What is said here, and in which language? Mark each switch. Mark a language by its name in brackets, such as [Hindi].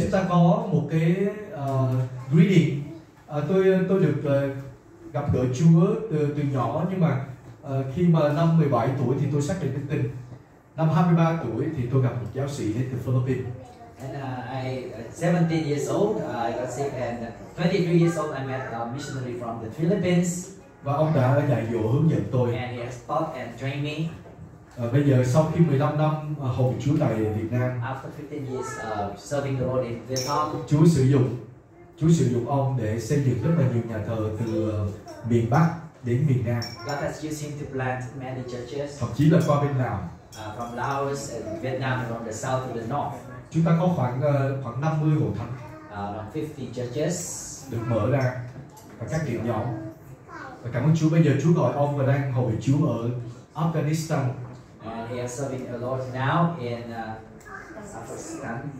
[Vietnamese] chúng ta có một cái greeting. Tôi được gặp gỡ Chúa từ nhỏ nhưng mà khi mà năm 17 tuổi thì tôi xác định đức tin. Năm 23 tuổi thì tôi gặp một giáo sĩ đến từ Philippines. [English] And I 17 years old, I got saved, and 23 years old, I met a missionary from the Philippines. [Vietnamese] Và ông đã dạy dỗ hướng dẫn tôi. [English] And he has taught and trained me. [Vietnamese] Bây giờ sau khi 15 năm hầu Chúa tại Việt Nam. [English] After 15 years serving the Lord in Vietnam. [Vietnamese] Chúa sử dụng ông để xây dựng rất là nhiều nhà thờ từ miền Bắc đến miền Nam. [English] God has used him to plant many churches. [Vietnamese] Thậm chí là qua bên Lào. [English] From Laos and Vietnam, from the south to the north. [Vietnamese] Chúng ta có khoảng 50 hội thánh. [English] 50 churches [Vietnamese] được mở ra và các điểm nhóm. Và cảm ơn Chúa, bây giờ Chúa gọi ông và đang hầu vị Chúa ở Afghanistan. [English] And he is serving the Lord now in Afghanistan.